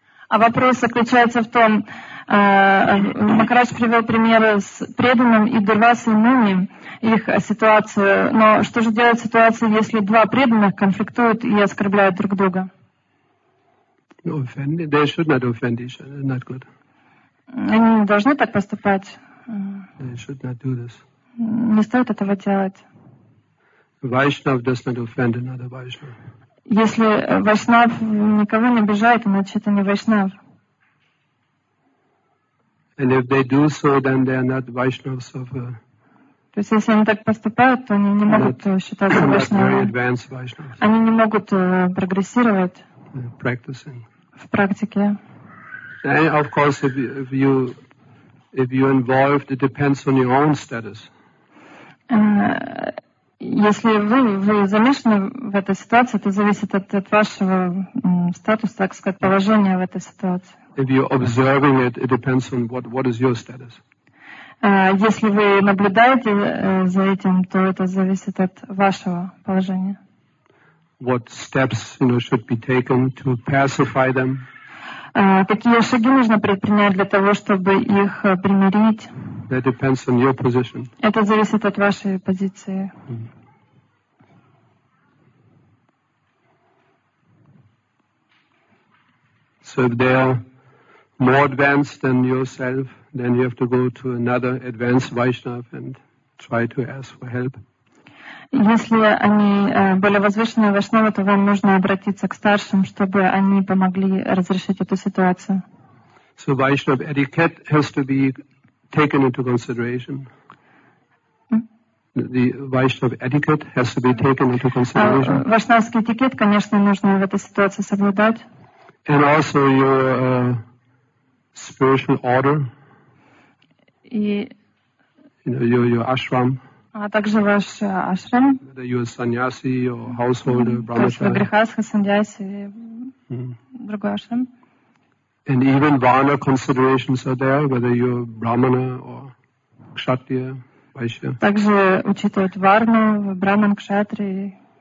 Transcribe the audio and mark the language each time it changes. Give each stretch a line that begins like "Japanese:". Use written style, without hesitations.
Russian: А вопрос заключается в том, Махарадж привел примеры с преданным и Дурвасой Муни, их ситуацию. Но что же делать в ситуации, если два преданных конфликтуют и оскорбляют друг друга?
English: Offend. They should not offend each other. Not good.
Russian: Они не должны так поступать.
English: They should not do this.
Russian: Не стоит этого делать.
English: Vaishnav does not offend another Vaishnav.
Russian: Если Вайшнав никого не обижает, значит, это не Вайшнав.
English: And if they do so, then they are not Vaishnavs of
Russian: То есть, если они так поступают, то они не могут считаться Вайшнавами. Они не могут прогрессировать
English: practicing.
Russian: В практике.
English: And of course, if you're involved, it depends on your own status.
Russian: Если вы замешаны в этой ситуации, это зависит от вашего статуса, так сказать, положения в этой ситуации.
English: If you're observing it, it depends on what is your status.
Russian: Если вы наблюдаете за этим, то это зависит от вашего положения.
English: What steps, you know, should be taken to pacify them?
Russian: Какие шаги нужно предпринять для того, чтобы их примирить?
English: That depends on your position.
Russian: Это зависит от вашей позиции.
English: So if they are more advanced than yourself, then you have to go to another advanced Vaishnav and try to ask for help.
Russian: Если они более возвышенные вайшнавы, то вам нужно обратиться к старшим, чтобы они помогли разрешить эту ситуацию.
English: So Vaishnav etiquette has to be taken into consideration. The Vaishnav etiquette has to be taken into consideration.
Russian: Вайшнавский этикет, конечно, нужно в этой ситуации соблюдать.
English: And also your spiritual order.
Russian: И,
English: you know, your ashram.
Russian: А также ваш ашрам.
English: Whether you are sannyasi or householder, brahmachari.
Russian: Грехастха, саньяси, другой ашрам.
English: And even vana considerations are there, whether you are brahmana or kshatriya, vaishya.
Russian: Также учитывают варну, браман, кшатри.